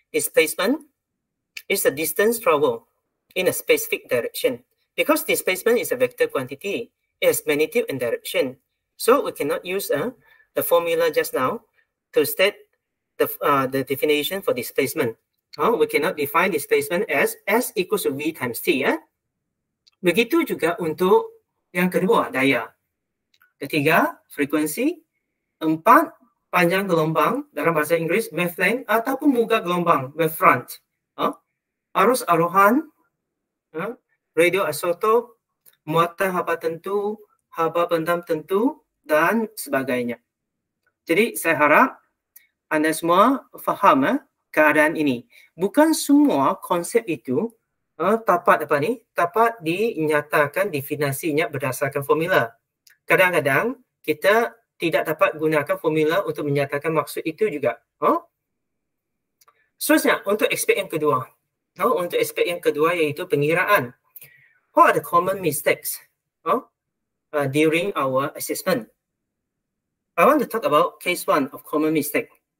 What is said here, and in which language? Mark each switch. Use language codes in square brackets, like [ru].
[en] Displacement is the distance travel in a specific direction. Because displacement is a vector quantity, it has magnitude and direction. So we cannot use the formula just now to state the definition for displacement. Oh, we cannot define displacement as S equals to V times T. Eh? [ms] Begitu juga untuk yang kedua, daya. Ketiga, frequency. Empat, panjang gelombang dalam bahasa Inggeris, wavelength, ataupun muka gelombang, wavefront. Oh? Arus arohan, radio isotop, muatan haba tentu, haba bentang tentu, dan sebagainya. Jadi saya harap anda semua faham keadaan ini. Bukan semua konsep itu dapat dinyatakan definisinya berdasarkan formula. Kadang-kadang kita tidak dapat gunakan formula untuk menyatakan maksud itu juga. Seterusnya, untuk aspek yang kedua. Untuk aspek yang kedua iaitu pengiraan. [en] What are the common mistakes during our assessment? I want to talk about case one of common mistake.